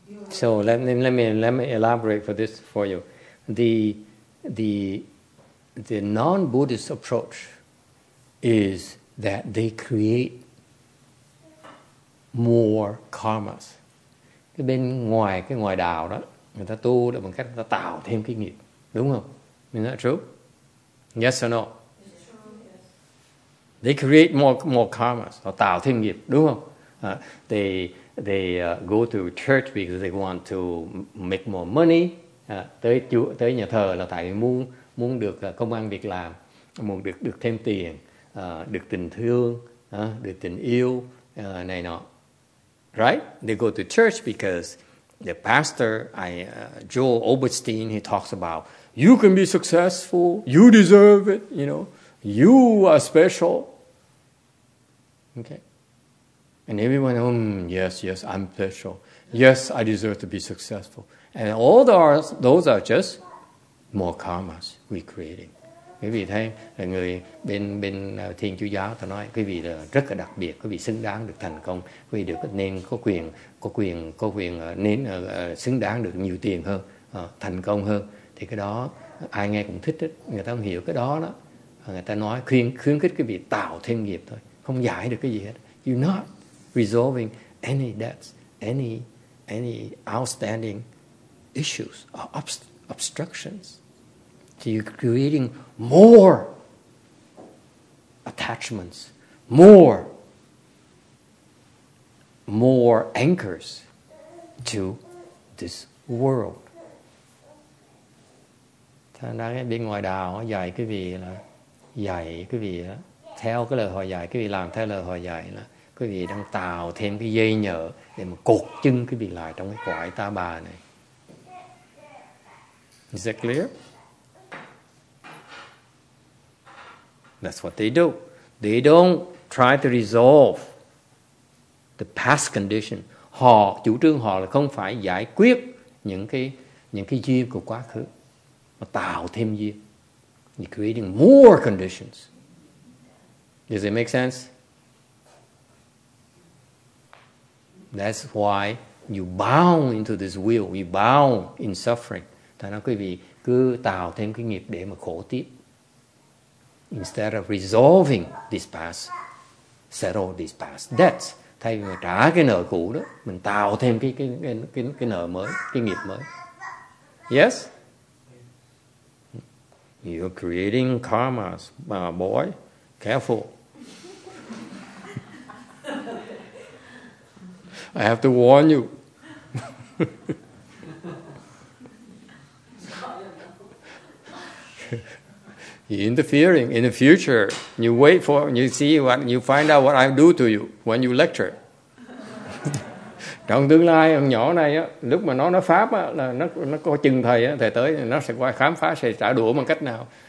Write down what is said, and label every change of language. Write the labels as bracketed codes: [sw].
[en] So let me elaborate for this for you. The non-Buddhist approach is that they create more karmas. [vi] Cái bên ngoài, cái ngoài đạo đó, người ta tu là bằng cách người ta tạo thêm cái nghiệp. Đúng không? [en] Is that true? Yes or no? It's true, yes. They create more karmas. [vi] Họ tạo thêm nghiệp. Đúng không? [en] They go to church because they want to make more money. [vi] Tới nhà thờ là tại vì muốn được công ăn việc làm, muốn được thêm tiền, được tình thương, được tình yêu này nọ. [en] Right? They go to church because the pastor, Joel Osteen, he talks about you can be successful, you deserve it, you know, you are special. Okay. And everyone, yes, yes, I'm special. Yes, I deserve to be successful. And all those are just more karmas we creating. [vi] Quý vị thấy là người bên Thiên Chúa Giáo, tôi nói quý vị là rất là đặc biệt, quý vị xứng đáng được thành công, quý vị được nên có quyền nên xứng đáng được nhiều tiền hơn, thành công hơn. Thì cái đó ai nghe cũng thích, người ta không hiểu cái đó. Người ta nói khuyến khích quý vị tạo thêm nghiệp thôi, không giải được cái gì hết. [en] You're not resolving any debts, any outstanding issues or obstructions. So you're creating more attachments, more anchors to this world. [vi] Thành ra bên ngoài đạo dạy cái gì là dạy cái gì đó, theo cái lời họ dạy, cái gì làm theo lời họ dạy là quý vị đang tạo thêm cái dây nhợ để mà cột chân cái vị lại trong cái quải ta bà này. [en] Is that clear? That's what they do. They don't try to resolve the past condition. [vi] Họ, chủ trương họ là không phải giải quyết những cái duyên của quá khứ, mà tạo thêm duyên. [en] You're creating more conditions. Does it make sense? That's why you bow into this wheel. You bow in suffering. [vi] Thành ra quý vị cứ tạo thêm cái nghiệp để mà khổ tiếp. [en] Instead of resolving this past, settle this past debts. [vi] Thay vì mà trả cái nợ cũ đó, mình tạo thêm cái nợ mới, cái nghiệp mới. [en] Yes? You're creating karmas, my boy. Careful. I have to warn you. You're interfering in the future. You wait for, you see what, you find out what I do to you when you lecture. [vi] Trong tương lai, con nhỏ này á, lúc mà nó pháp á, là nó có chừng thầy á, thầy tới nó sẽ qua khám phá, sẽ trả đũa bằng cách nào.